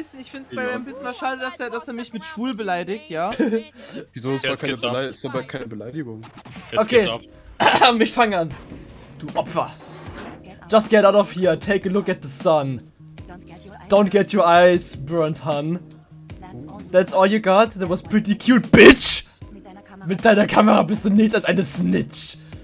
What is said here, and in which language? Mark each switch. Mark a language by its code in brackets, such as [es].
[de] Ich find's bei mir ein bisschen mal schade, dass er mich mit schwul beleidigt, ja? Wieso ist das keine Beleidigung? Okay, ich fange an. Du Opfer. [en] Just get out of here, take a look at the sun. Don't get your eyes burnt, hun. That's all you got? That was pretty cute, bitch! [de] Mit deiner Kamera bist du nichts als eine Snitch.